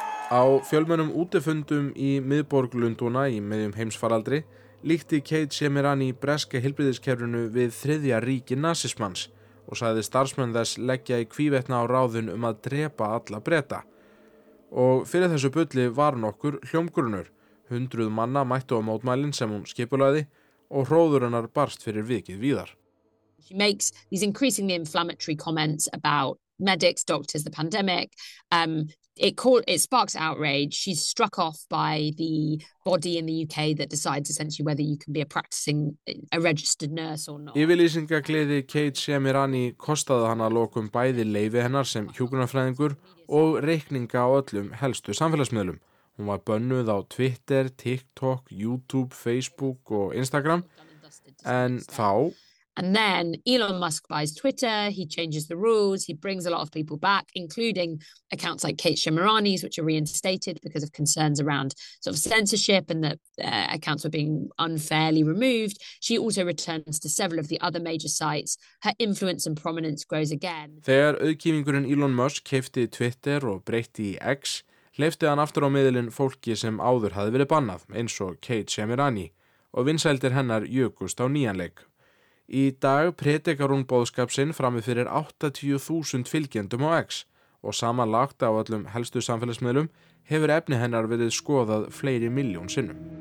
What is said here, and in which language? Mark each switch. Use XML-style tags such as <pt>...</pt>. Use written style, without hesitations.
<is>Á fjölmönnum útifundum í miðborg Lundúna í miðjum heimsfaraldri líkti Kate Shemirani breska heilbrigðiskerfinu við þriðja ríki nasismans og sagði starfsmenn þess leggja í kvívetna á ráðun að drepa alla breta. Og fyrir þessu bulli var nokkur hljómgrunur, 100 manna mættu á mótmælin sem hún skipulagði og hróðurinnar barst fyrir vikið víðar.</is> <en>She makes these increasingly inflammatory comments about medics, doctors, the pandemic. It sparks outrage. She's struck off by the body in the UK that decides essentially whether you can be a practicing, a registered nurse or not.</en> <is>Yfirlýsingagleði Kate Shemirani kostaði hana lokum bæði leyfi hennar sem hjúkrunarfræðingur og reikninga á öllum helstu samfélagsmiðlum. Hún var bönnuð á Twitter, TikTok, YouTube, Facebook og Instagram. En þá</is> <en>And then Elon Musk buys Twitter. He changes the rules. He brings a lot of people back, including accounts like Kate Shimarani's, which are reinstated because of concerns around sort of censorship and that accounts were being unfairly removed. She also returns to several of the other major sites. Her influence and prominence grows again.</en> <is>Þegar auðkýfingurinn Elon Musk keypti Twitter og breytti í X, hleypti hann aftur á miðlinn fólki sem áður hafði verið bannað, eins og Kate Shimarani, og vinsældir hennar jukust á nýjanleik. Í dag predikar hún boðskap sinn frammi fyrir 80.000 fylgjendum á X og samanlagt á öllum helstu samfélagsmiðlum hefur efni hennar verið skoðað fleiri milljón sinnum.</is>